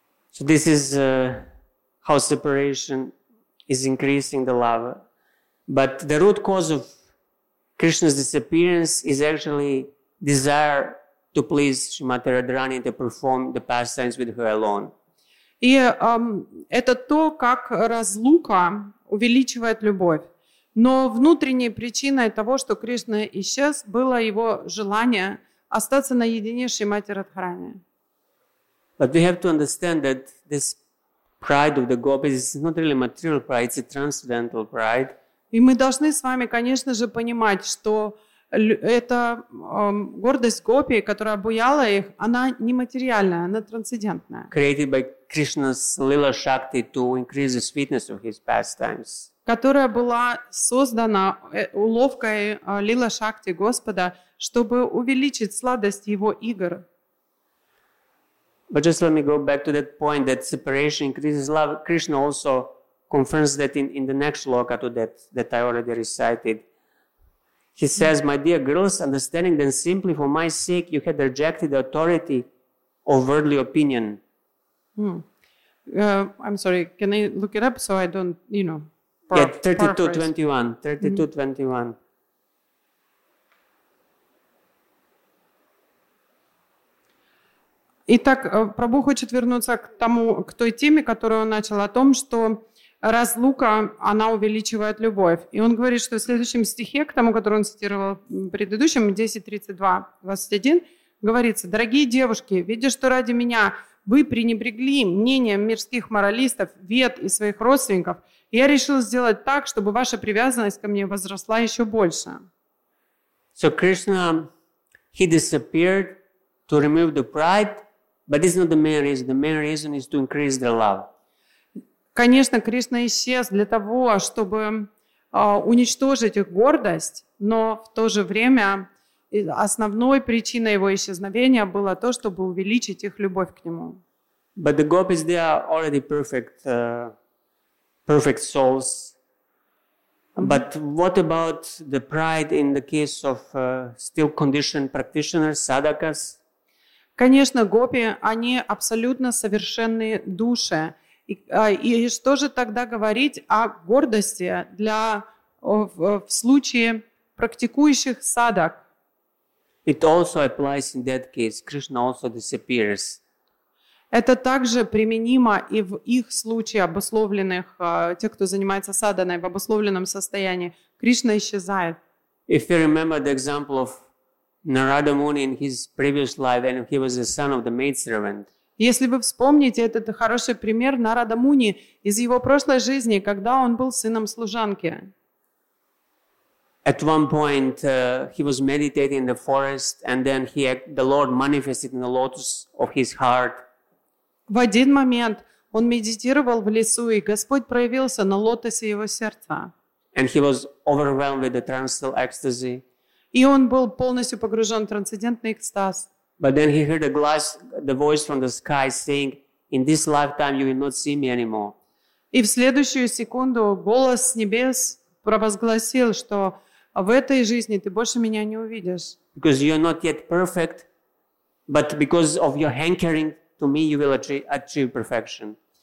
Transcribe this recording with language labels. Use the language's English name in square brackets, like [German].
[English] So this is how separation is increasing the love. But the root cause of Krishna's disappearance is actually desire to please Shrimati Radharani to perform the pastimes with her alone. [Russian] И это то, как разлука увеличивает любовь. Но внутренней причиной того, что Кришна исчез, было его желание остаться наедине с Шримати Радхарани. [English] But we have to understand that this pride of the gopis is not really material pride, it's a transcendental pride. [Russian] И мы должны с вами, конечно же, понимать, что эта гордость гопи, которая обуяла их, она не материальная, она трансцендентная. [English] Created by Krishna's lila shakti to increase the sweetness of his pastimes. [Russian] Которая была создана уловкой лила шакти Господа, чтобы увеличить сладость его игр. [English] But just let me go back to that point that separation increases love. Krishna also confirms that in the next shloka to that I already recited. He says, my dear girls, understanding then simply for my sake you had rejected the authority of worldly opinion. I'm sorry, can I look it up so I don't, you know, paraphrase. 32:21. [Russian] Итак, Прабху хочет вернуться к тому, к той теме, которую он начал, о том, что разлука, она увеличивает любовь. И он говорит, что в следующем стихе, к тому, который он цитировал в предыдущем, 10.32.21, говорится: «Дорогие девушки, видя, что ради меня вы пренебрегли мнением мирских моралистов, вед и своих родственников, я решил сделать так, чтобы ваша привязанность ко мне возросла еще больше». [English] So Krishna, he disappeared to remove the pride, but it's not the main reason. The main reason is to increase the love. [Russian] Конечно, Кришна исчез для того, чтобы уничтожить их гордость, но в то же время основной причиной его исчезновения было то, чтобы увеличить их любовь к нему. [English] But the gopis, they are already perfect, perfect souls. But what about the pride in the case of still conditioned practitioners, sadhakas? [Russian] Конечно, гопи, они абсолютно совершенные души. И что же тогда говорить о гордости для в случае практикующих садак? [English] It also applies in that case. Krishna also disappears. [Russian] Это также применимо и в их случае, обусловленных тех, кто занимается саданой, в обусловленном состоянии. Кришна исчезает. [English] If you remember the example of Narada Muni in his previous life, and he was the son of the maidservant. [Russian] Если вы вспомните этот хороший пример Нарада Муни из его прошлой жизни, когда он был сыном служанки. [English] At one point he was meditating in the forest, and then the Lord manifested in the lotus of his heart. [Russian] В один момент он медитировал в лесу, и Господь проявился на лотосе его сердца. [English] And he was overwhelmed with the transcendental ecstasy. [Russian] И он был полностью погружен в трансцендентный экстаз. [English] But then he heard the voice from the sky saying, "In this lifetime you will not see me anymore." [Russian] И в следующую секунду голос с небес провозгласил, что в этой жизни ты больше меня не увидишь. [English] Because you are not yet perfect, but because of your hankering to me, you will achieve perfection.